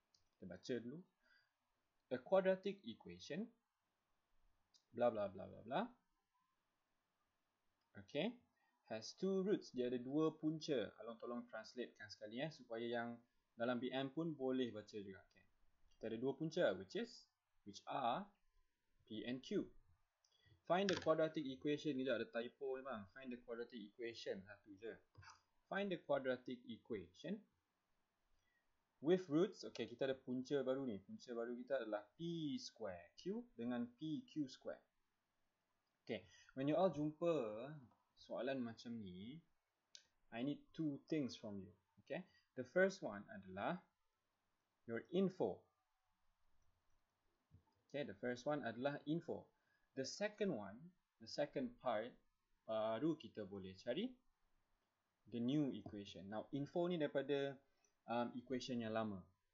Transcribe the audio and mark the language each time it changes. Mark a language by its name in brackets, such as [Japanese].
[Malay] Kita baca dulu. [English] A quadratic equation. Blah, blah, blah, blah, blah. Okay. Has two roots. [Malay] Dia ada dua punca. Along tolong translatekan sekali ya. Supaya yang dalam BM pun boleh baca juga. [English] Okay. [Malay] Kita ada dua punca, [English] which are P and Q. Find the quadratic equation. [Malay] Ni dah ada typo memang. [English] Find the quadratic equation. [Malay] Satu je. [English] Find the quadratic equation. With roots. [Malay] Okay, kita ada punca baru ni. Punca baru kita adalah P square Q dengan P Q square. [English] Okay. When you all [Malay] jumpa soalan macam ni, [English] I need two things from you. Okay. The first one [Malay] adalah [English] your info. Okay, the first one [Malay] adalah [English] info. The second one, the second part, [Malay] baru kita boleh cari [English] the new equation. [Malay] Now, info ni daripada equation yang lama.